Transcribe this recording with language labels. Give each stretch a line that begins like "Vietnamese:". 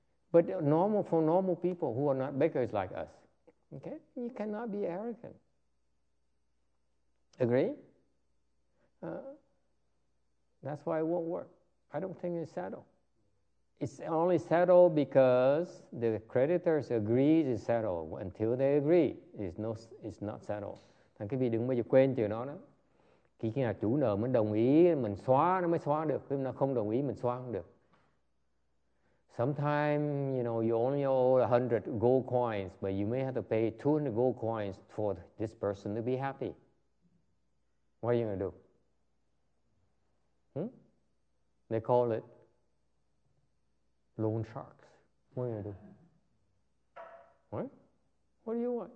English: But for normal people who are not beggars like us, okay, you cannot be arrogant. Agree? That's why it won't work. I don't think it's settled. It's only settled because the creditors agree it's settled. Until they agree, it's not settled.
Vietnamese: Thằng cái vị đừng bao giờ quên chuyện đó nữa. Khi nhà chủ nợ mới đồng ý mình xóa nó mới xóa được. Nếu nó không đồng ý mình xóa không được.
English: Sometimes, you know, you only owe 100 gold coins, but you may have to pay 200 gold coins for this person to be happy. What are you going to do? They call it loan sharks. What are you going to do? What? What do you want?